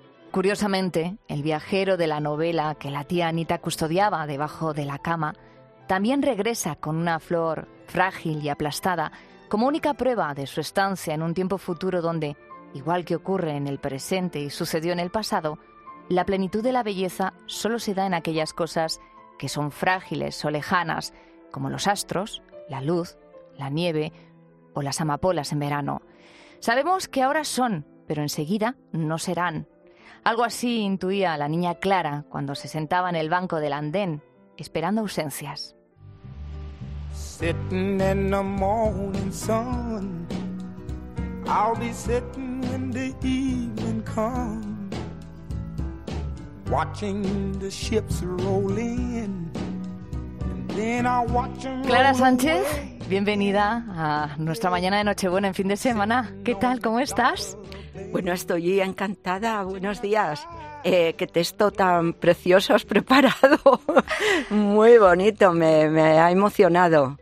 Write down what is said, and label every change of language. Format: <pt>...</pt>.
<es>Curiosamente, el viajero de la novela que la tía Anita custodiaba debajo de la cama también regresa con una flor frágil y aplastada como única prueba de su estancia en un tiempo futuro donde, igual que ocurre en el presente y sucedió en el pasado, la plenitud de la belleza solo se da en aquellas cosas que son frágiles o lejanas, como los astros, la luz, la nieve o las amapolas en verano. Sabemos que ahora son, pero enseguida no serán. Algo así intuía la niña Clara cuando se sentaba en el banco del andén, esperando ausencias.</es> <en>Sitting in the morning sun, I'll be sitting when the evening comes, watching the ships roll in, and then I'll watch them.</en> <es>Clara Sánchez, bienvenida a nuestra mañana de Nochebuena en fin de semana. ¿Qué tal? ¿Cómo estás? Bueno, estoy encantada. Buenos días. Qué texto tan precioso has preparado. Muy bonito, me ha emocionado.</es>